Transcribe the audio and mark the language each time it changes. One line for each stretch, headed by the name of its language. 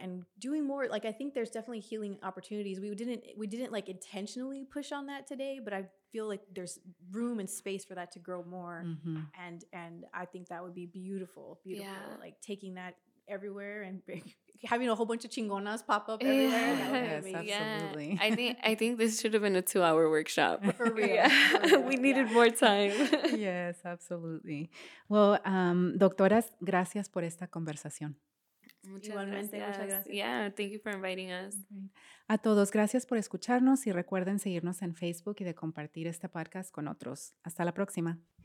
English: And doing more, I think there's definitely healing opportunities. We didn't intentionally push on that today, but I feel like there's room and space for that to grow more. Mm-hmm. And I think that would be beautiful. Yeah. Taking that everywhere and having a whole bunch of chingonas pop up everywhere. Yeah. Yes, absolutely. Yeah. I think this should have been a 2-hour workshop. For real. Yeah. We needed more time. Yes, absolutely.
Spanish: Well, doctoras, gracias por esta conversación.
English: Thank you for inviting us.
Spanish: A todos, gracias por escucharnos y recuerden seguirnos en Facebook y de compartir este podcast con otros. Hasta la próxima.